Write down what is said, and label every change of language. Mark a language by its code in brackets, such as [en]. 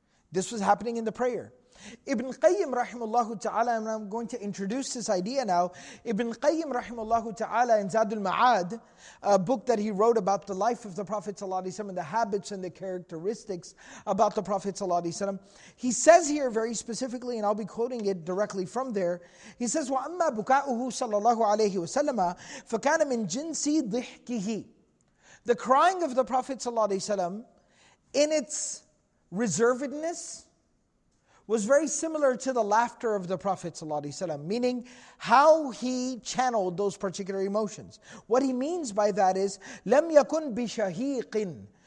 [en] This was happening in the prayer. Ibn Qayyim rahimahullahu ta'ala, and I'm going to introduce this idea now. Ibn Qayyim rahimahullahu ta'ala in Zadul Ma'ad, a book that he wrote about the life of the Prophet ﷺ, and the habits and the characteristics about the Prophet ﷺ. He says here very specifically, and I'll be quoting it directly from there. He says, [ar] وَأَمَّا بُكَاؤُهُ صَلَى اللَّهُ عَلَيْهِ وَسَلَّمَ فَكَانَ مِنْ جِنْسِ ضِحْكِهِ. [en] The crying of the Prophet ﷺ in its reservedness was very similar to the laughter of the Prophet ﷺ, meaning how he channeled those particular emotions. What he means by that is, [ar] لَمْ يَكُنْ بِشَهِيقٍ.